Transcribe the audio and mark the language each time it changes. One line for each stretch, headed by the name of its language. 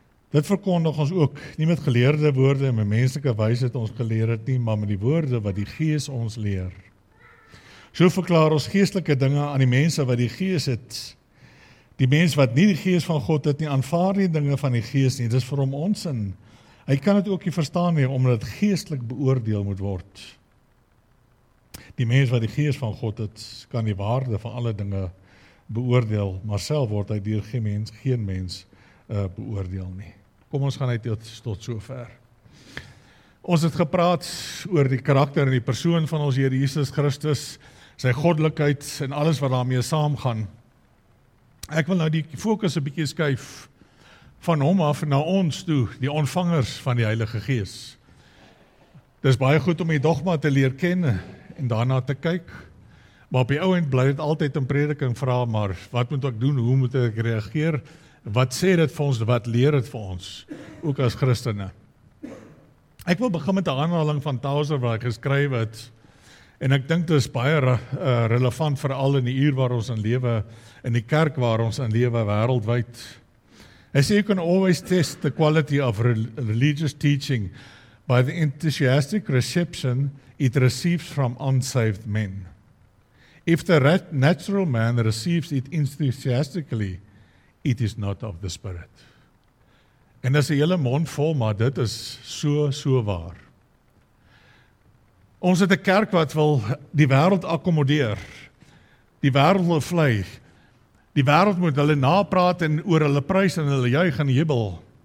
Afrikaans: Dit verkondig ons ook, nie met geleerde woorde en met menslike wysheid ons geleer het nie, maar met die woorde wat die Gees ons leer. So verklaar ons geestelike dinge aan die mense wat die Gees het. Die mens wat nie die Gees van God het nie, aanvaar die dinge van die Gees nie, dis vir hom onsin. Hy kan het ook nie verstaan nie, omdat het geestelik beoordeel moet word. Die mens wat die Gees van God het, kan die waarde van alle dinge beoordeel, maar self word hy deur geen mens beoordeel nie. Kom, ons gaan uit tot so ver. Ons het gepraat oor die karakter en die persoon van ons Here Jesus Christus, sy goddelikheid en alles wat daarmee saamgaan. Ek wil nou die fokus 'n bietjie skuif van hom af na ons toe, die ontvangers van die Heilige Gees. Dis baie goed om die dogma te leer ken en daarna te kyk, maar op die ou end bly dit altyd in prediking vra, maar wat moet ek doen, hoe moet ek reageer, wat sê dit vir ons, wat leer dit vir ons, ook as Christene. Ek wil begin met 'n aanhaling van Tauser wat ek geskryf het, en ek dink dit is baie relevant vir al in die uur waar ons in lewe, in die kerk waar ons in lewe wêreldwyd.
English: Hy sê, you can always test the quality of religious teaching by the enthusiastic reception it receives from unsaved men. If the natural man receives it enthusiastically, it is not of the spirit.
Afrikaans: En dis 'n hele mond vol, maar dit is so waar. Ons het 'n kerk wat wil die wêreld akkommodeer. Die wêreld wil vlei. Die wêreld moet hulle napraat en oor hulle prys en hulle juig en jubel.